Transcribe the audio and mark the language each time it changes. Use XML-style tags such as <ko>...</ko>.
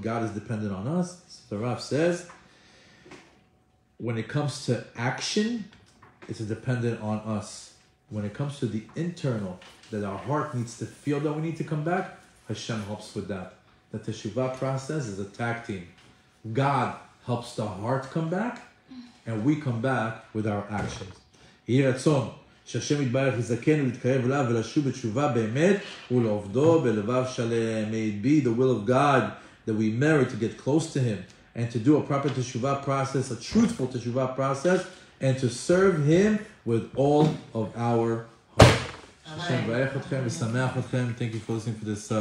<en>God is dependent on us? So the Rav says, when it comes to action, it's dependent on us. When it comes to the internal, that our heart needs to feel that we need to come back, Hashem helps with that. The teshuvah process is a tag team. God helps the heart come back, and we come back with our actions.</en> <he>יהי רצון שהשם יתברך יזכנו להתקרב אליו ולשוב בתשובה באמת ולעובדו בלבב שלם.</he> <en>May it be the will of God that we merit to get close to Him and to do a proper teshuvah process, a truthful teshuvah process, and to serve Him with all of our heart.</en> <he>Shem Baruch Atchem, V'Sameach Atchem.</he> <en>Thank you for listening to this.</en>